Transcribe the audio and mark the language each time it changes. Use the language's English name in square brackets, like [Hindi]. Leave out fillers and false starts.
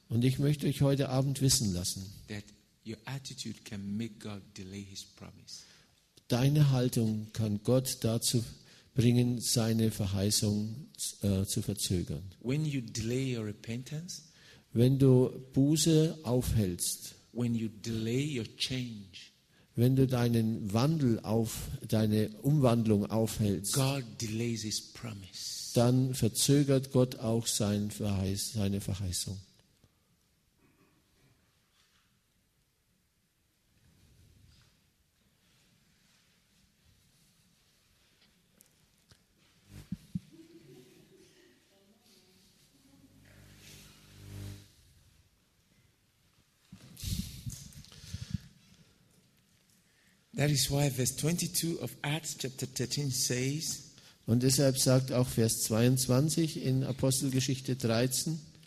[German] Und ich möchte euch heute Abend wissen lassen, [English] that your attitude can make God delay His promise. [German] Deine Haltung kann Gott dazu bringen, seine Verheißung zu verzögern. [English] When you delay your repentance, [German] wenn du Buße aufhältst, [English] when you delay your change, [German] wenn du deinen Wandel auf deine Umwandlung aufhältst, [English] God delays His promise. [German] Dann verzögert Gott auch seine Verheißung. [English] That is why verse 22 of Acts chapter 13 says. [German] Und deshalb sagt auch Vers 22 in Apostelgeschichte 13.